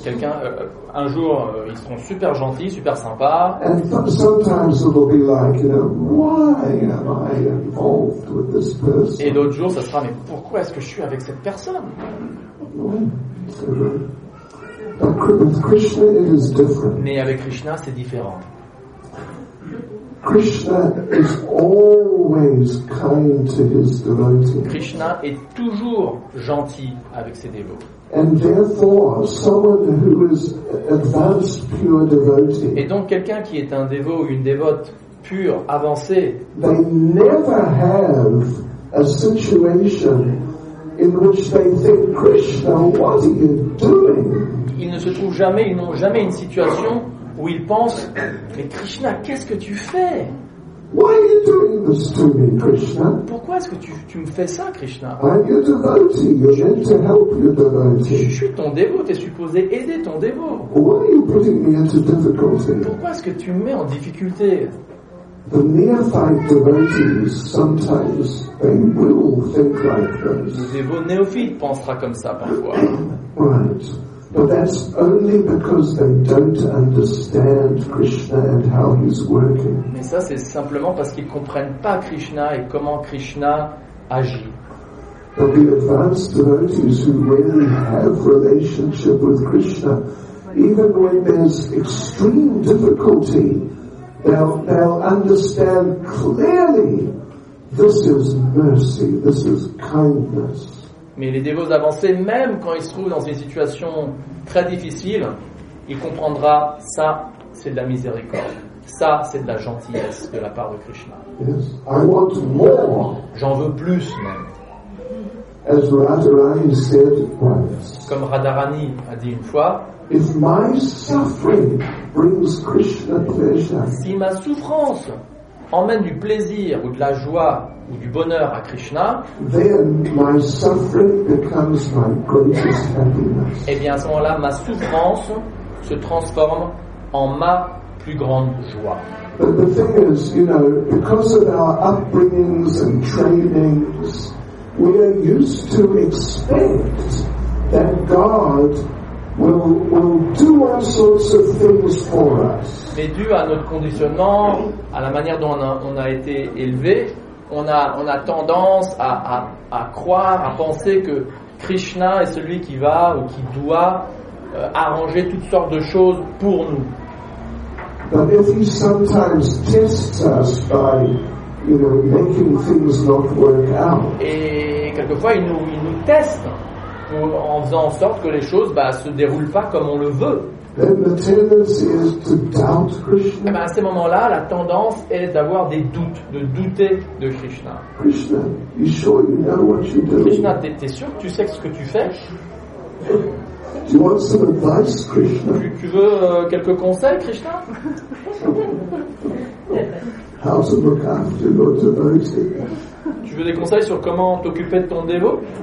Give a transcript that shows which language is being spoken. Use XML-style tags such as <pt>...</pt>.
<fr>Quelqu'un, un jour, ils seront super gentils, super sympas.</fr> <en>And sometimes it'll be like, you know, why am I involved with this person?</en> <fr>Et d'autres jours, ça sera, mais pourquoi est-ce que je suis avec cette personne?</fr> <en>With Krishna, it is different.</en> <fr>Mais avec Krishna, c'est différent.</fr> <en>Krishna is always kind to his devotees.</en> <fr>Krishna est toujours gentil avec ses dévots.</fr> <en>And therefore, someone who is advanced pure devotee.</en> <fr>Et donc quelqu'un qui est un dévot ou une dévote pure, avancée.</fr> <en>They never have a situation in which they think Krishna, what are you doing?</en> <fr>Ils ne se trouvent jamais, ils n'ont jamais une situation où ils pensent, mais Krishna, qu'est-ce que tu fais?</fr> <en>Why are you doing this to me, Krishna?</en> <fr>Pourquoi est-ce que tu me fais ça, Krishna?</fr> <en>I'm your devotee. You're meant to help your devotee.</en> <fr>Je suis ton dévot, tu es supposé aider ton dévot.</fr> <en>Why are you putting me into difficulty?</en> <fr>Pourquoi est-ce que tu me mets en difficulté?</fr> <en>The neophyte devotees, sometimes they will think like this.</en> <fr>Le dévot néophyte pensera comme ça parfois.</fr> <en>Right. But that's only because they don't understand Krishna and how he's working.</en> <fr>Mais ça c'est simplement parce qu'ils comprennent pas Krishna et comment Krishna agit.</fr> <en>But the advanced devotees who really have relationship with Krishna, even when there's extreme difficulty, they'll understand clearly this is mercy, this is kindness.</en> <fr>Mais les dévots avancés, même quand ils se trouvent dans une situation très difficile, ils comprendront ça, c'est de la miséricorde. Ça, c'est de la gentillesse de la part de Krishna.</fr> <en>Yes. I want more.</en> <fr>J'en veux plus, même.</fr> <en>As Radharani said once,</en> <fr>comme Radharani a dit une fois,</fr> <en>if my suffering brings Krishna pleasure,</en> <fr>si ma souffrance emmène du plaisir ou de la joie ou du bonheur à Krishna,</fr> <en>then my suffering becomes my greatest happiness.</en> <fr>Et bien à ce moment-là, ma souffrance se transforme en ma plus grande joie.</fr> <en>But the thing is, you know, because of our upbringings and trainings, we are used to expect that God will do all sorts of things for us.</en> <fr>Mais dû à notre conditionnement, à la manière dont on a été élevé, on a tendance à croire, à penser que Krishna est celui qui va ou qui doit arranger toutes sortes de choses pour nous.</fr> <en>But if he sometimes tests us by, you know, making things not work out.</en> <fr>Et quelquefois il nous teste en faisant en sorte que les choses se déroulent pas comme on le veut.</fr> <en>Then the tendency is to doubt Krishna.</en> <fr>Et à ce moment-là, la tendance est d'avoir des doutes, de douter de Krishna.</fr> <en>Krishna, you sure you know what you're doing?</en> <fr>Krishna, t'es sûr que tu sais ce que tu fais?</fr> <en>Do you want some advice, Krishna?</en> <fr>Tu veux quelques conseils, Krishna?</fr> <en>How to look after your devotee?</en> <fr>Tu veux des conseils sur comment t'occuper de ton dévot?</fr>